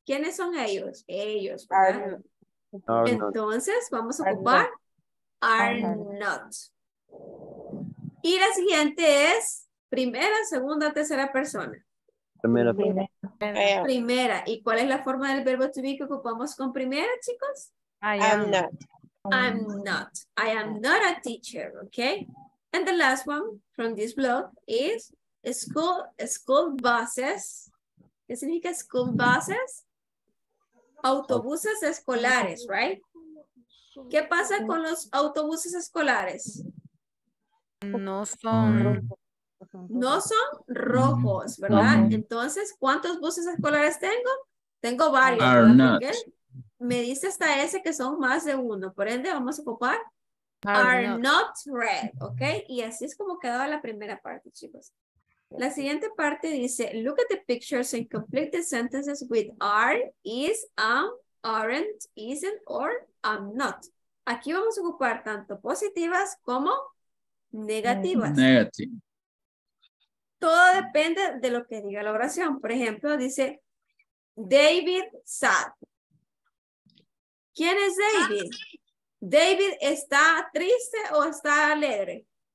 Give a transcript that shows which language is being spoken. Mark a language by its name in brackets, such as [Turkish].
[Spanish] ¿Quiénes son ellos? Ellos. Entonces, vamos a ocupar are not. Y la siguiente es primera, segunda, tercera persona. Primera. ¿Y cuál es la forma del verbo to be que ocupamos con primera, chicos? [English] I am not. I am not a teacher, okay? And the last one from this blog is [Spanish] school buses. ¿Qué significa school buses? Autobuses escolares, right? ¿Qué pasa con los autobuses escolares? No son rojos, ¿verdad? Entonces, ¿cuántos buses escolares tengo? Tengo varios. Me dice hasta ese que son más de uno. Por ende, vamos a ocupar are not red, ¿ok? Y así es como quedaba la primera parte, chicos. La siguiente parte dice, [English] look at the pictures and complete the sentences with are, is, am, aren't, isn't, or am not. [Spanish] Aquí vamos a ocupar tanto positivas como negativas. [English] Negative. [Spanish] Todo depende de lo que diga la oración. Por ejemplo, dice, David sad. ¿Quién es David? ¿David está triste o está alegre?